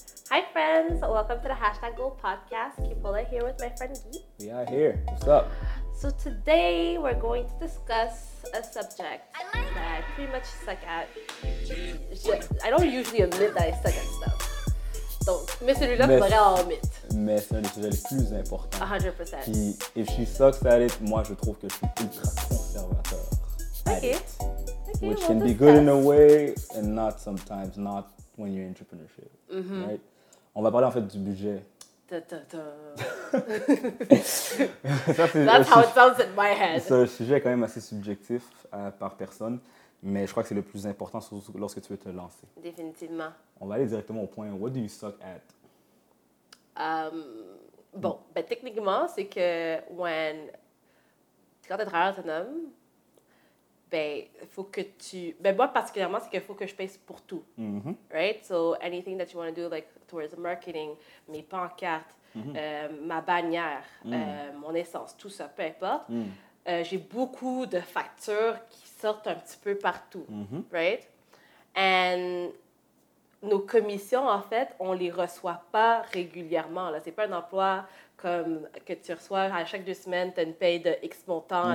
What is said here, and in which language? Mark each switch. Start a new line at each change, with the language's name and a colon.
English: Hi friends, welcome to the Hashtag Goal Podcast. Kipola here with my friend Gee. We are here. What's up? So today we're going to discuss a subject that I pretty much suck at. I don't usually admit that I suck at stuff.
French: Donc, mais celui-là, je pourrais en admettre. Mais c'est un des sujets les plus importants. 100%. Qui,
English: if she sucks at it,
French: moi je trouve que je suis ultra conservateur.
English: Ok. Which can be good in a way and not sometimes, not when you're entrepreneurship. Mm-hmm.
French: Right? On va parler en fait du budget. Ça, c'est
English: That's how it sounds in my head.
French: C'est un sujet quand même assez subjectif par personne, mais je crois que c'est le plus important lorsque tu veux te lancer. Définitivement. On va aller directement au point.
English: What do you suck at?
French: Bon, ben techniquement, c'est que quand tu es travailleur autonome, ben faut que tu ben moi particulièrement c'est qu'il faut que je paye pour tout. Mm-hmm.
English: Right? So anything that you want to do like towards marketing,
French: mes pancartes,
English: mm-hmm.
French: Ma bannière, mm-hmm. Mon essence, tout ça, peu importe. Mm-hmm. J'ai beaucoup de factures qui sortent un petit peu partout. Mm-hmm.
English: Right? And
French: nos commissions, en fait, on ne les reçoit pas régulièrement. Ce n'est pas un emploi comme que tu reçois à chaque deux semaines, tu as une paye de X montant, mm-hmm.